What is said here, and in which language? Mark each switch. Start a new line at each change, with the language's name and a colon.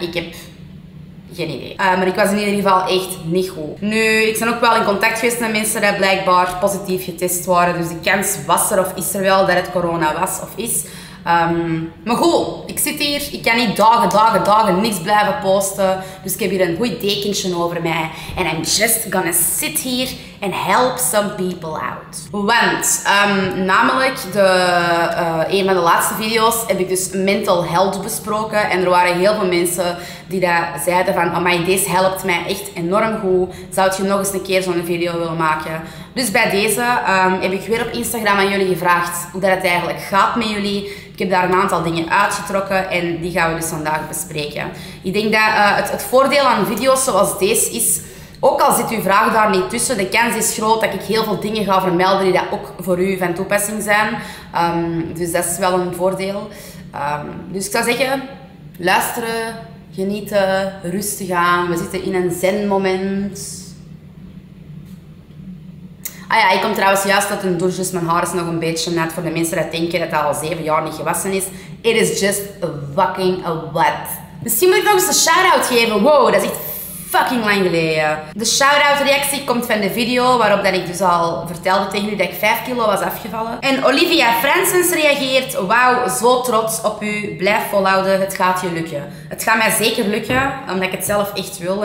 Dutch: Ik heb geen idee. Maar ik was in ieder geval echt niet goed. Nu, ik ben ook wel in contact geweest met mensen die blijkbaar positief getest waren. Dus de kans was er of is er wel dat het corona was of is. Maar goed, ik zit hier. Ik kan niet dagen niks blijven posten. Dus ik heb hier een goed dekentje over mij.
English: En I'm just gonna sit here and help some people out.
Dutch: Want, namelijk een van de laatste video's heb ik dus mental health besproken. En er waren heel veel mensen die daar zeiden van, amai, deze helpt mij echt enorm goed. Zou je nog eens een keer zo'n video willen maken? Dus bij deze heb ik weer op Instagram aan jullie gevraagd hoe dat het eigenlijk gaat met jullie. Ik heb daar een aantal dingen uitgetrokken en die gaan we dus vandaag bespreken. Ik denk dat het voordeel aan video's zoals deze is, ook al zit uw vraag daar niet tussen, de kans is groot dat ik heel veel dingen ga vermelden die dat ook voor u van toepassing zijn. Dus dat is wel een voordeel. Dus ik zou zeggen, luisteren, genieten, rustig aan. We zitten in een zen-moment. Ah ja, ik kom trouwens juist uit een douche, dus mijn haar is nog een beetje nat. Voor de mensen die denken dat dat al 7 jaar niet gewassen is.
English: It is just a fucking a wet.
Dutch: Misschien moet ik nog eens een shout-out geven. Wow, dat is echt fucking lang geleden. De shout-out reactie komt van de video waarop dat ik dus al vertelde tegen u dat ik 5 kilo was afgevallen. En Olivia Francis reageert. Wauw, zo trots op u. Blijf volhouden, het gaat je lukken. Het gaat mij zeker lukken, omdat ik het zelf echt wil.